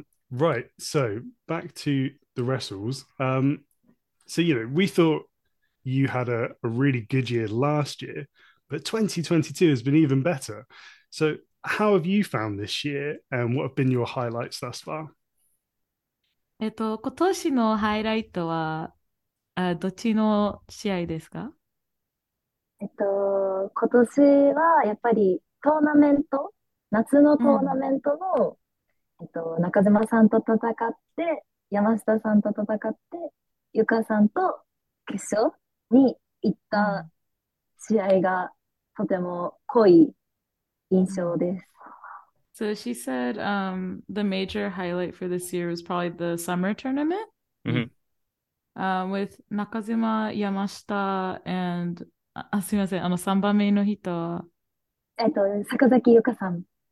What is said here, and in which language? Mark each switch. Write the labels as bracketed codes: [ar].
[en] Right. So, back to the wrestles. So, you know, we thought you had a really good year last year, but 2022 has been even better. So, how have you found this year, and what have been your highlights thus far? [ja] 今年のハイライトはどっちの試合ですか？今年はやっぱりトーナメント、夏のトーナメントの、中島さんと戦って、山下さんと戦って、ゆかさんと決勝に行った試合がとても濃い。 [en] So she said the major highlight for this year was probably the summer tournament with Nakajima, Yamashita, and [ja] すいません、3番目の人は [en] Sakazaki Yuka san.